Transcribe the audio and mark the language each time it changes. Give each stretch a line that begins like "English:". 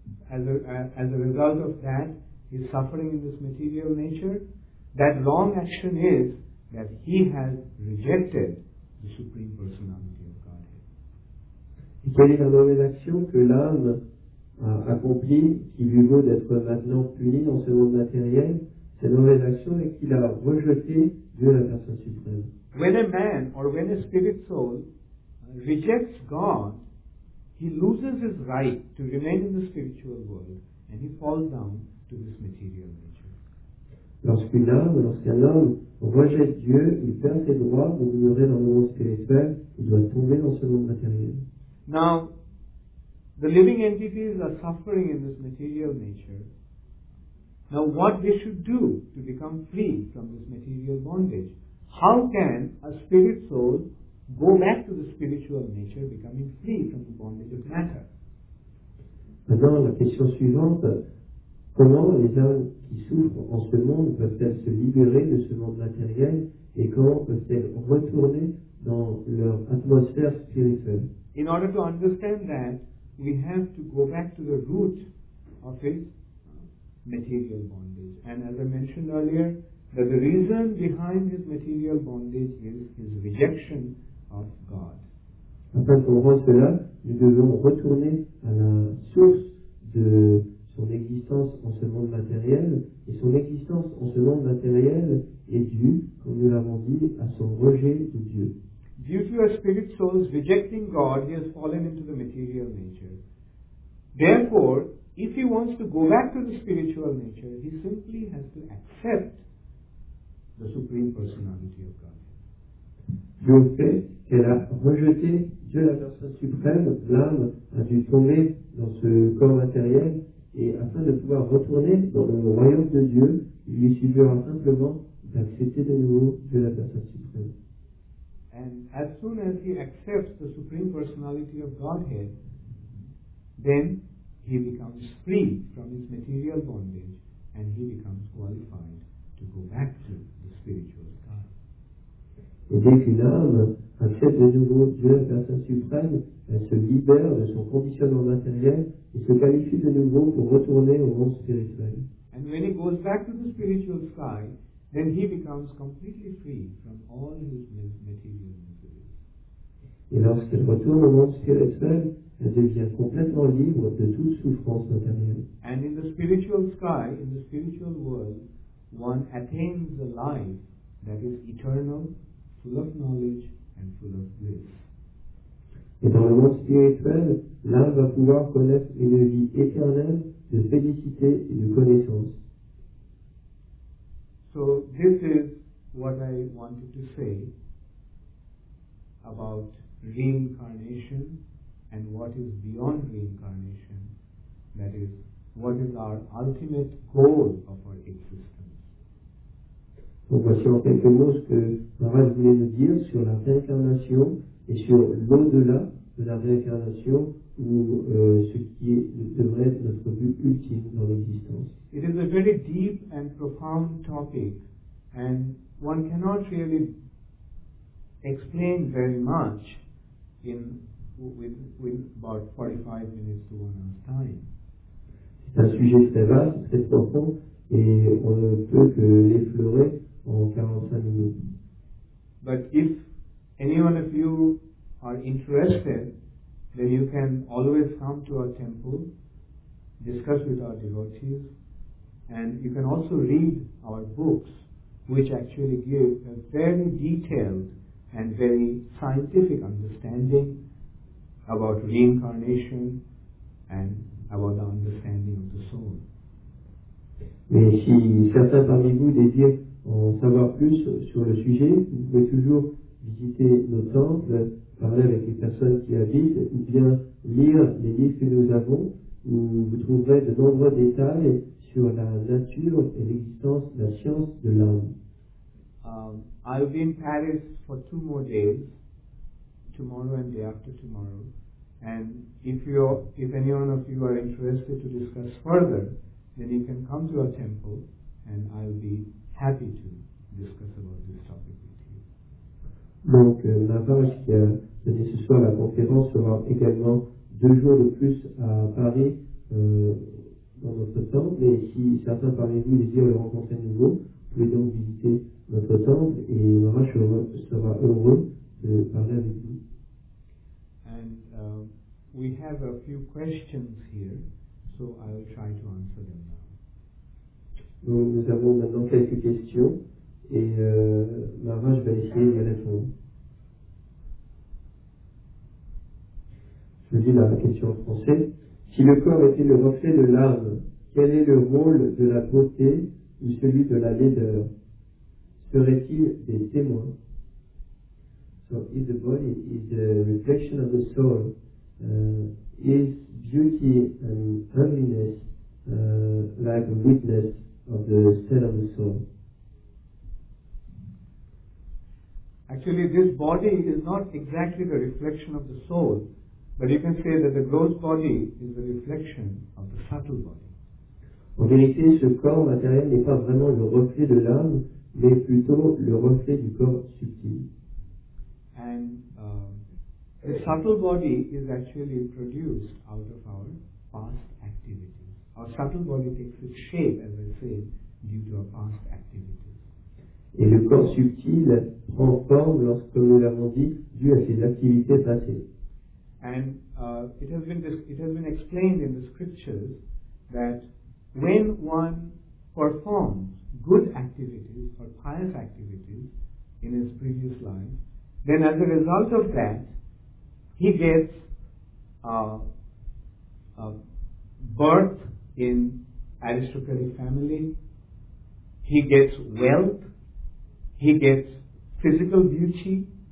English: As a result of that, his suffering in this material nature, that wrong action is that he has rejected the Supreme Personality of Godhead.
French: Et quelle est la mauvaise action que l'âme a accompli qui lui vaut d'être maintenant puni dans ce monde matériel? Cette mauvaise action est qu'il a rejeté Dieu, la personne suprême.
English: When a man or when a spirit soul rejects God, he loses his right to remain in the spiritual world and he falls down to this material nature.
French: Lorsqu'un homme rejette Dieu, il perd ses droits de demeurer dans le monde spirituel, il doit tomber dans ce monde matériel.
English: Now, the living entities are suffering in this material nature. Now, what they should do to become free from this material bondage? How can a spirit soul go back to the spiritual nature, becoming free from the bondage of matter?
French: Maintenant, la question suivante, comment les âmes qui souffrent en ce monde peuvent-elles se libérer de ce monde matériel et comment peuvent-elles retourner dans leur atmosphère spirituelle?
English: In order to understand that, we have to go back to the root of it, material bondage. And as I mentioned earlier, that the reason behind this material bondage is his rejection of God.
French: Afin de comprendre cela, nous devons retourner à la source de son existence en ce monde matériel. Et son existence en ce monde matériel est due, comme nous l'avons dit, à son rejet de Dieu.
English: Due to a spirit soul's rejecting God, he has fallen into the material nature. Therefore, if he wants to go back to the spiritual nature, he simply has to accept the Supreme Personality of God.
French: Due au fait qu'elle a rejeté Dieu, la personne suprême, l'âme a dû tomber dans ce corps matériel, et afin de pouvoir retourner dans le royaume de Dieu, il lui suffira simplement d'accepter de nouveau Dieu, la personne suprême.
English: And as soon as he accepts the Supreme Personality of Godhead, then he becomes free from his material bondage and he becomes qualified to go back to the spiritual sky.
French: Et dès qu'une âme accepte de nouveau Dieu, la personne suprême, elle se libère de son conditionnement matériel et se qualifie de nouveau pour retourner au monde spirituel.
English: And when he goes back to the spiritual sky, then he becomes completely free from all his material miseries.
French: Et lorsqu'elle retourne au monde spirituel, elle devient complètement libre de toute souffrance matérielle.
English: And in the spiritual sky, in the spiritual world, one attains a life that is eternal, full of knowledge and full of bliss.
French: Et dans le monde spirituel, l'âme va pouvoir connaître une vie éternelle de félicité et de connaissance.
English: So this is what I wanted to say about reincarnation and what is beyond reincarnation, that is, what is our ultimate goal of our existence.
French: Donc voici en quelques mots ce que Maharaj voulait nous dire sur la réincarnation et sur l'au-delà de la réincarnation, ou ce qui devrait être notre but ultime dans l'existence.
English: It is a very deep and profound topic, and one cannot really explain very much in about 45 minutes to 1 hour's time.
French: C'est un sujet très vaste, très profond, et on ne peut que l'effleurer en 45 minutes.
English: But if any one of you are interested, then you can always come to our temple, discuss with our devotees, and you can also read our books, which actually give a very detailed and very scientific understanding about reincarnation and about the understanding of the soul.
French: Mais si certains parmi vous désirent en savoir plus sur le sujet, vous pouvez toujours visiter nos temples, parler avec les personnes qui habitent, ou bien lire les livres que nous avons, où vous trouverez de nombreux détails sur la nature et l'existence, la science de l'âme.
English: I'll be in Paris for 2 more days, tomorrow and day after tomorrow. And if any one of you are interested to discuss further, then you can come to our temple, and I'll be happy to discuss about this topic.
French: Donc, Maharaj, qui a donné ce soir la conférence, sera également 2 jours de plus à Paris dans notre temple. Et si certains parmi vous désirent le rencontrer à nouveau, vous pouvez donc visiter notre temple et Maharaj sera heureux de parler avec vous.
English: And we have a few questions here, so I'll try to answer them now.
French: Donc, nous avons maintenant quelques questions. Et Maharaj va essayer de répondre. Je lis la question en français. Si le corps était le reflet de l'âme, quel est le rôle de la beauté ou celui de la laideur? Serait-il des témoins?
English: So, if the body is a reflection of the soul, is beauty and ugliness like a witness of the cell of the soul? Actually, this body is not exactly the reflection of the soul, but you can say that the gross body is the reflection of the subtle body.
French: En vérité, ce corps matériel n'est pas vraiment le reflet de l'âme, mais plutôt le reflet du corps subtil.
English: And the subtle body is actually produced out of our past activities. Our subtle body takes its shape, as I said, due to our past activities.
French: Et le corps subtil prend forme lorsque, comme nous l'avons dit, dû à ses activités passées.
English: And it has been explained in the scriptures that when one performs good activities or pious activities in his previous life, then as a result of that, he gets a birth in aristocratic family, he gets wealth, he gets physical beauty,